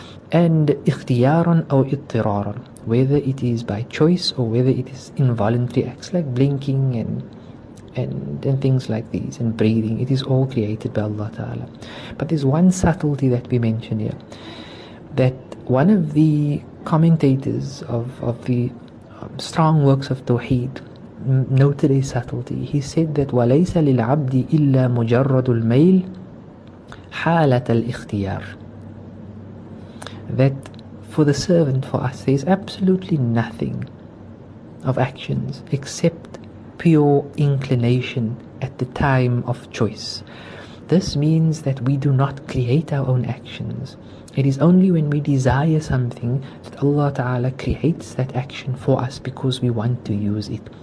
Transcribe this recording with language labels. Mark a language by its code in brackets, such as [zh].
[en] And [ar] ikhtiyaran aw ittiraran, [en] whether it is by choice or whether it is involuntary acts like blinking and things like these and breathing. It is all created by Allah Ta'ala. But there's one subtlety that we mention here, that one of the commentators of the strong works of Tawheed noted a subtlety. He said that [ar] وَلَيْسَ لِلْعَبْدِ إِلَّا مُجَرَّدُ الْمَيْلِ حَالَةَ الْإِخْتِيَارِ. [en] That for the servant, for us, there is absolutely nothing of actions except pure inclination at the time of choice. This means that we do not create our own actions. It is only when we desire something that Allah Ta'ala creates that action for us because we want to use it.